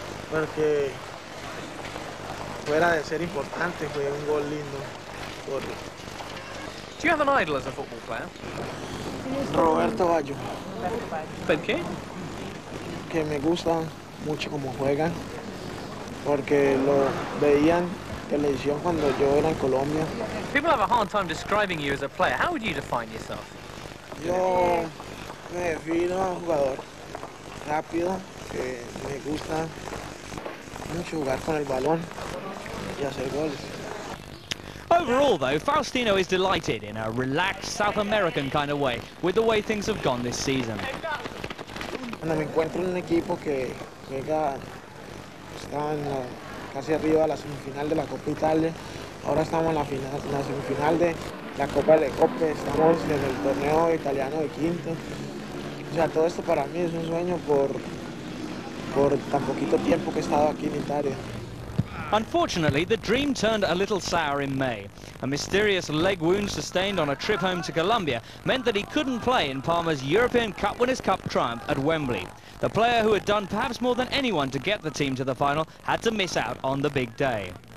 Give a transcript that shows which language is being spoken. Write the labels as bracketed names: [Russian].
[Spanish] Porque fuera de ser importante, fue un gol lindo. Por... [English] Do you have an idol as a football player? Roberto Baggio. [Spanish] ¿Por qué? Que me gusta mucho como juega. Porque lo veían. [English] People have a hard time describing you as a player. How would you define yourself? [Spanish] Yo me defino un jugador rápido que me gusta mucho jugar con el balón y hacer goles. [English] Overall, though, Faustino is delighted in a relaxed South American kind of way with the way things have gone this season. [Spanish] Cuando me encuentro en un equipo que llega está en casi arriba a la semifinal de la Copa Italia. Ahora estamos en la final, en la semifinal de la Copa de la Copa. Estamos en el torneo italiano de quinto. O sea, todo esto para mí es un sueño por tan poquito tiempo que he estado aquí en Italia. [English] Unfortunately, the dream turned a little sour in May. A mysterious leg wound sustained on a trip home to Colombia meant that he couldn't play in Parma's European Cup Winners' Cup triumph at Wembley. The player who had done perhaps more than anyone to get the team to the final had to miss out on the big day.